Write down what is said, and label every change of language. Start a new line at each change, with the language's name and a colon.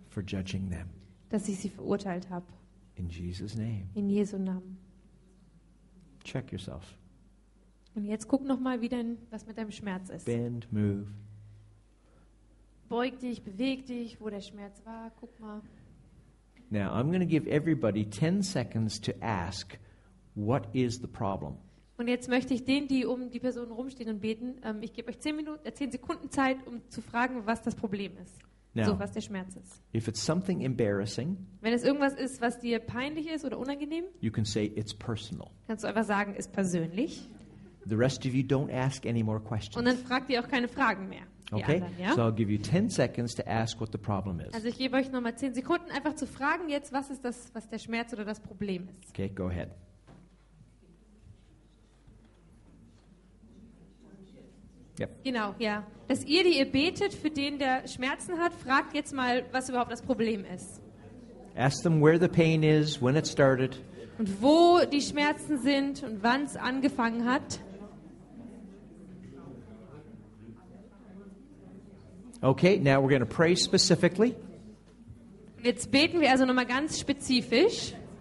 English: for judging them,
German: dass ich sie verurteilt habe.
English: In Jesus' name.
German: In Jesu Namen.
English: Check yourself.
German: Und jetzt guck noch mal, wie dein, was mit deinem Schmerz ist.
English: Bend, move.
German: Beug dich, beweg dich, wo der Schmerz war. Guck mal.
English: Now I'm going to give everybody 10 seconds to ask, what is the problem?
German: Und jetzt möchte ich denen, die um die Person rumstehen und beten, ich gebe euch 10 Sekunden Zeit, um zu fragen, was das Problem ist.
English: Now,
German: so, was der Schmerz ist.
English: If it's something embarrassing,
German: wenn es irgendwas ist, was dir peinlich ist oder unangenehm,
English: you can say it's personal.
German: Kannst du einfach sagen, ist persönlich.
English: The rest of you don't ask any more questions.
German: Und dann fragt ihr auch keine Fragen mehr.
English: Okay?
German: Anderen, ja?
English: So I'll give you 10 seconds to ask what the problem is.
German: Also ich gebe euch nochmal 10 Sekunden, einfach zu fragen jetzt, was ist das, was der Schmerz oder das Problem ist.
English: Okay, go ahead.
German: Yep. Genau, ja. Dass ihr, die ihr betet für den, der Schmerzen hat, fragt jetzt mal, was überhaupt das Problem ist.
English: Ask them where the pain is, when it started.
German: Und wo die Schmerzen sind und wann es angefangen hat.
English: Okay, now we're going to pray specifically.
German: Jetzt beten wir also nochmal ganz spezifisch.